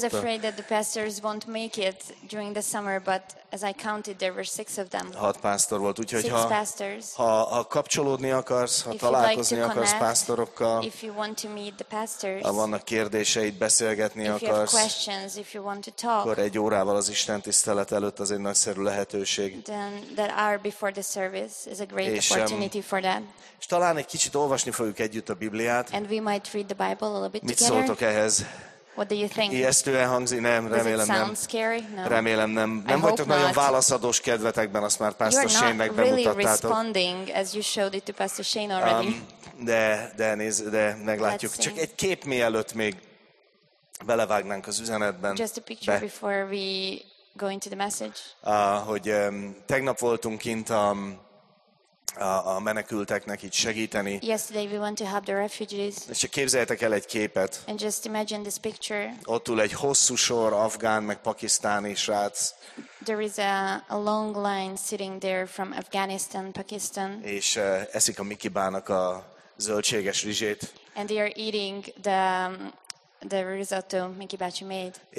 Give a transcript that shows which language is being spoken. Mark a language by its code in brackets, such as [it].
[en] I was afraid that the pastors won't make it during the summer, but as I counted, there were 6 of them. [hu] 6 pásztor volt, úgyhogy ha kapcsolódni akarsz, ha találkozni akarsz pásztorokkal, [en] if you want to meet the pastors, [hu] ha vannak kérdéseid, beszélgetni akarsz, [en] if you have questions, if you want to talk, [hu] akkor egy órával az Isten tisztelet előtt az egy nagyszerű lehetőség. [en] Then that hour before the service. Is a great opportunity for them. [hu] És talán egy kicsit olvasni fogjuk együtt a Bibliát. [en] And we might read the Bible a little bit [hu] mit [en] together. [hu] Mit szóltok ehhez? [en] What do you think? [hu] Ijesztően hangzik, nem, remélem nem. [en] Does it sound scary? No. [hu] Remélem nem. Nem vagytok nagyon válaszadós kedvetekben, azt már Pastor Shane-nek bemutattátok. [en] You're not really responding as you showed it to Pastor Shane already. [hu] De meglátjuk. Csak egy kép mielőtt még belevágnánk az üzenetben. [en] Just a picture before we go into the message. [hu] Hogy tegnap voltunk kint a menekülteknek itt segíteni. [en] Yesterday we went to help the refugees. [hu] És csak képzeljetek el egy képet. [en] And just imagine this picture. [hu] Ott ül egy hosszú sor afgán meg pakisztáni srác. [en] There is a long line sitting there from Afghanistan, Pakistan. [hu] És eszik a Mickey Bának a zöldséges rizsét. [en] And they are eating the risotto Mickey bácsi made.